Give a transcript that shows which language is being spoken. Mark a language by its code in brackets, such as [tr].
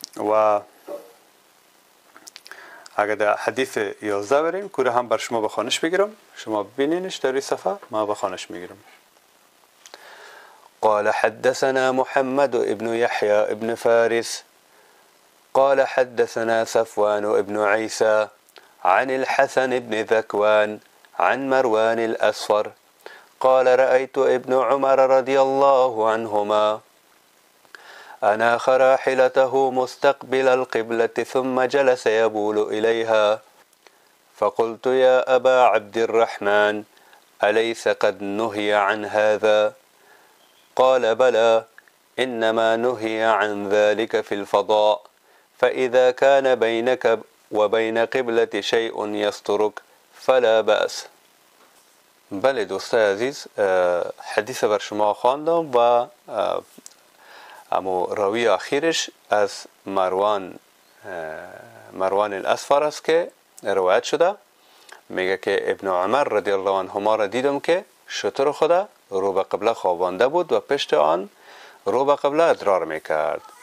[fa] و اگر در حدیث 11 بریم کوره هم بر شما بخوانش بگیرم، شما ببینینش در صفحه، ما بخوانش میگیرم. [ar] قال حدثنا محمد ابن يحيى ابن فارس قال حدثنا صفوان ابن عيسى عن الحسن ابن ذكوان عن مروان الأصفر قال رأيت ابن عمر رضي الله عنهما أناخ راحلته مستقبل القبلة ثم جلس يبول إليها، فقلت يا أبا عبد الرحمن أليس قد نهي عن هذا؟ قال بلى، إنما نهي عن ذلك في الفضاء، فإذا كان بينك وبين قبلة شيء يسترك فلا بأس. [fa] بله دوست عزیز، حدیث بر شما خواندم و امو راوی اخیرش از مروان الاسفر است که روایت شده، میگه که ابن عمر رضی الله عنهما را دیدم که شطر خدا رو به قبله خوابانده بود و پشت آن رو به قبله ادرار میکرد.